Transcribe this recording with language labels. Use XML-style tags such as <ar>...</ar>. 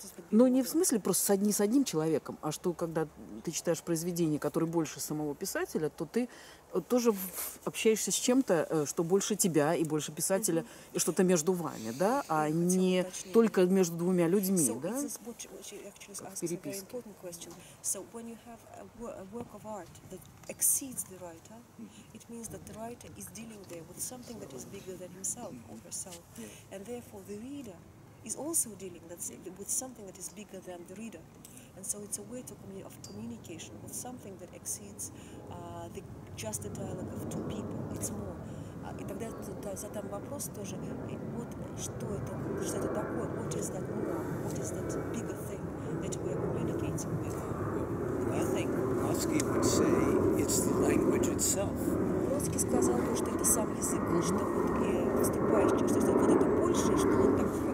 <ru>Но не в смысле просто не с одним человеком, а что, когда ты читаешь произведение, которое больше самого писателя, то ты тоже общаешься с чем-то, что больше тебя и больше писателя, и что-то между вами, да, а не только между двумя людьми, да, как в переписке.</ru> <en>So when you have a work of art that exceeds the writer, it means that the writer is dealing there with something that is bigger than himself or herself, and therefore the reader is also dealing with something that is bigger than the reader, and so it's a way of communication with something that exceeds just the dialogue of two people. It's more.</en> <ru>И тогда я задам вопрос тоже. И вот что это такое?</ru> <en>What is that more? What is that bigger thing that we are communicating with? What do you think? Brodsky would say it's the language itself.</en> <ru>Brodsky сказал то, что это сам язык, что вот и выступаешь, что вот это больше, что вот так.</ru>